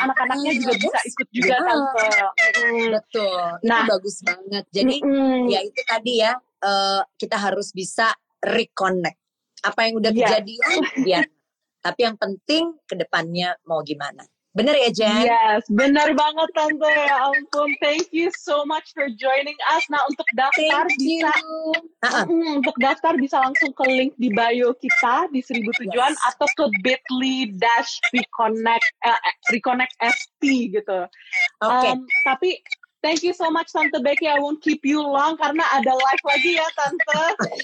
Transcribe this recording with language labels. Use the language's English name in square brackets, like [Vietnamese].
[Indonesian] Anak-anaknya juga bisa ikut juga kan. Betul. Nah, itu bagus banget. Jadi ya itu tadi ya, kita harus bisa reconnect. Apa yang udah kejadian, ya. Tapi yang penting kedepannya mau gimana. Benar ya, Jen? Yes, benar banget, Tante. Ya ampun, [English] thank you so much for joining us. [Indonesian] Nah, untuk daftar bisa untuk daftar bisa langsung ke link di bio kita di 1007-an atau ke bit.ly/reconnect-st gitu. Oke. Tapi [English] thank you so much, Tante Becky. I won't keep you long [Indonesian] karena ada live lagi ya, Tante.